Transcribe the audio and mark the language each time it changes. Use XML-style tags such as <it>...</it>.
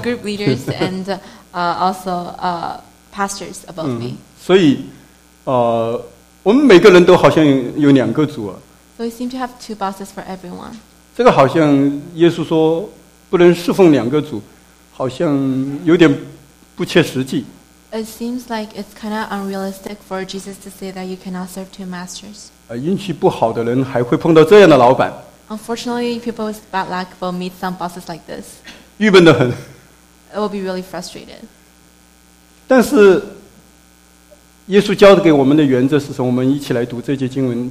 <en>Group leaders and also pastors above me.</en> <zh>所以，我们每个人都好像有两个组啊。</zh> <en>So we seem to have two bosses for everyone.</en> <zh>这个好像耶稣说不能侍奉两个主，好像有点不切实际。</zh> <en>It seems like it's kind of unrealistic for Jesus to say that you cannot serve two masters.</en> <zh>运气不好的人还会碰到这样的老板。</zh> <en>Unfortunately, people with bad luck will meet some bosses like this.</en> <zh>郁闷得很。</zh> <en>It will be really frustrated.</en> <zh>但是耶稣教给我们的原则是什么？我们一起来读这节经文。</zh>